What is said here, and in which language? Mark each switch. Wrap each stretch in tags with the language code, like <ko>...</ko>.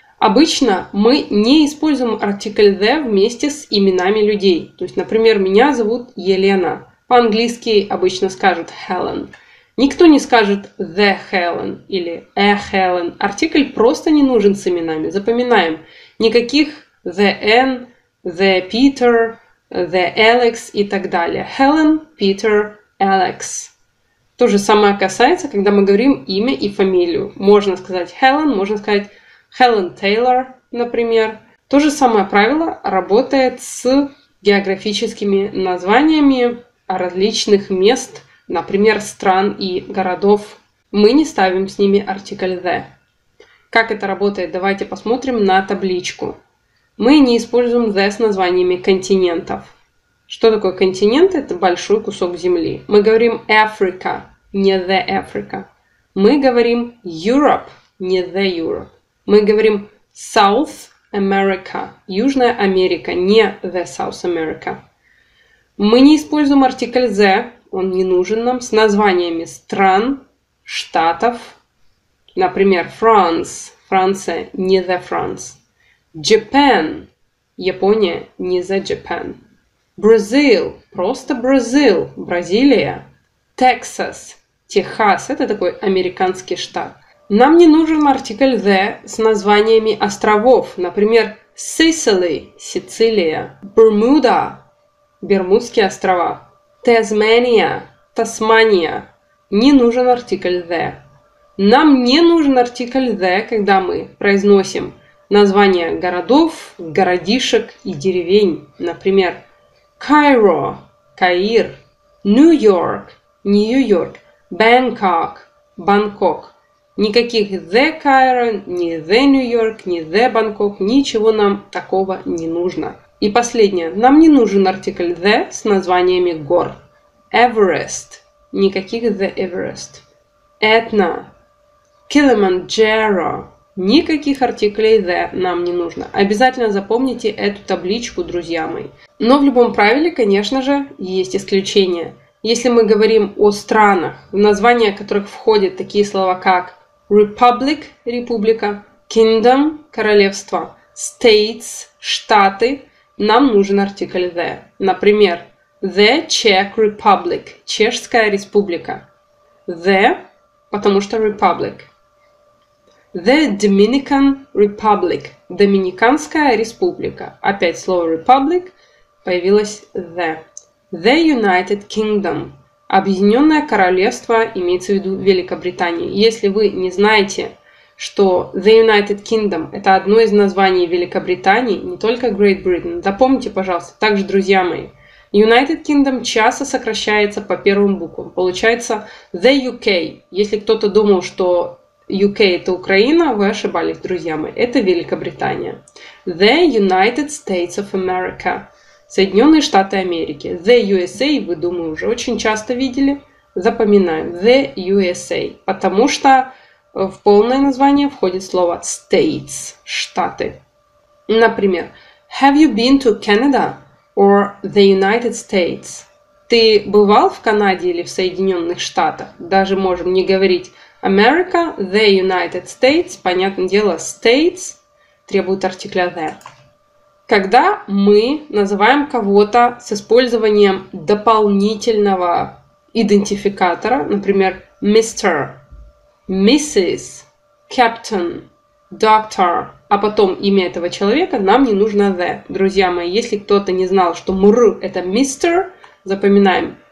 <ru>Обычно мы не используем артикль the вместе с именами людей. То есть, например, меня зовут Елена. По-английски обычно скажут Helen. Никто не скажет the Helen или a Helen. Артикль просто не нужен с именами. Запоминаем. Никаких the Anne, the Peter, the Alex и так далее. Helen, Peter, Alex. То же самое касается, когда мы говорим имя и фамилию. Можно сказать Helen, можно сказать Helen Taylor, например. То же самое правило работает с географическими названиями различных мест, например, стран и городов. Мы не ставим с ними артикль the. Как это работает? Давайте посмотрим на табличку. Мы не используем the с названиями континентов. Что такое континент? Это большой кусок земли. Мы говорим Africa, не the Africa. Мы говорим Europe, не the Europe. Мы говорим South America, Южная Америка, не the South America. Мы не используем артикль the, он не нужен нам, с названиями стран, штатов. Например, France, Франция, не the France. Japan, Япония, не the Japan. Brazil, просто Brazil, Бразилия. Texas, Техас, это такой американский штат. Нам не нужен артикль the с названиями островов. Например, Sicily, Сицилия. Bermuda, Бермудские острова. Tasmania, Тасмания. Не нужен артикль the. Нам не нужен артикль the, когда мы произносим названия городов, городишек и деревень. Например, Cairo, Каир. New York, Нью-Йорк. Bangkok, Бангкок. Никаких the Cairo, ни the New York, ни the Bangkok, ничего нам такого не нужно. И последнее. Нам не нужен артикль the с названиями гор. Everest. Никаких the Everest. Этна. Kilimanjaro. Никаких артиклей the нам не нужно. Обязательно запомните эту табличку, друзья мои. Но в любом правиле, конечно же, есть исключения. Если мы говорим о странах, в названия которых входят такие слова, как Republic – республика, Kingdom – королевство, States – штаты, нам нужен артикль the. Например, the Czech Republic – чешская республика. The – потому что Republic. The Dominican Republic – доминиканская республика. Опять слово Republic, появилось the. The United Kingdom – Объединенное Королевство, имеется в виду Великобритания. Если вы не знаете, что The United Kingdom – это одно из названий Великобритании, не только Great Britain, запомните, пожалуйста, также, друзья мои, United Kingdom часто сокращается по первым буквам. Получается The UK. Если кто-то думал, что UK – это Украина, вы ошибались, друзья мои. Это Великобритания.</ru> <en>The United States of America.</en> <ru>Соединенные Штаты Америки. The USA, вы, думаю, уже очень часто видели. Запоминаем. The USA. Потому что в полное название входит слово States. Штаты.</ru> <en>Например, have you been to Canada or the United States?</en> <ru>Ты бывал в Канаде или в Соединенных Штатах? Даже можем не говорить America, the United States. Понятное дело, States требует артикля the. Когда мы называем кого-то с использованием дополнительного идентификатора, например, Mr., Mrs., Captain, Doctor, а потом имя этого человека, нам не нужно the. Друзья мои, если кто-то не знал, что мр это Mr., запоминаем,</ru>